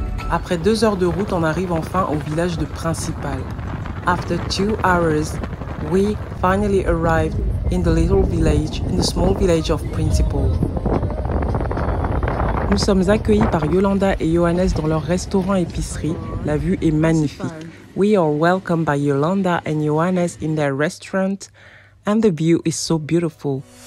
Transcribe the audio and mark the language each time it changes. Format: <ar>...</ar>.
<fr>Après 2 heures de route, on arrive enfin au village de principal.</fr> <en>After 2 hours, we finally arrived in the little village, in the small village of Principal.</en> <fr>Nous sommes accueillis par Yolanda et Johannes dans leur restaurant épicerie. La vue est magnifique.</fr> <en>We are welcomed by Yolanda and Johannes in their restaurant, and the view is so beautiful.</en>